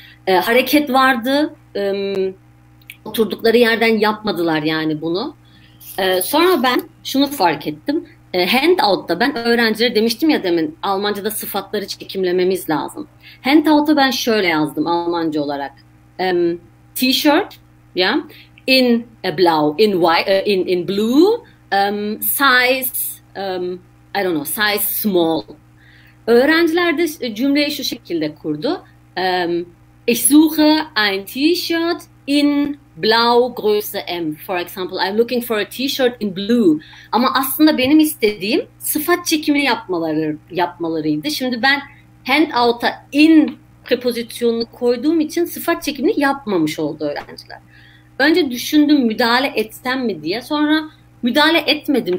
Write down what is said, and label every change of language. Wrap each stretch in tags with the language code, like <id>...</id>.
<tr>Hareket vardı. Oturdukları yerden yapmadılar yani bunu. Sonra ben şunu fark ettim. Handout'ta ben öğrencilere demiştim ya demin, Almanca'da sıfatları çekimlememiz lazım. Handout'a ben şöyle yazdım Almanca olarak.</tr> <en>T-shirt, yeah, in a blau, in white, in blue, size, I don't know, size small.</en> <tr>Öğrenciler de cümleyi şu şekilde kurdu.</tr> <de>Ich suche ein T-shirt in blau Größe M.</de> <en>For example, I'm looking for a T-shirt in blue.</en> <tr>Ama aslında benim istediğim sıfat çekimi yapmalarıydı. Şimdi ben handout'a in prepozisyonunu koyduğum için sıfat çekimini yapmamış oldu öğrenciler. Önce düşündüm müdahale etsem mi diye. Sonra müdahale etmedim.</tr>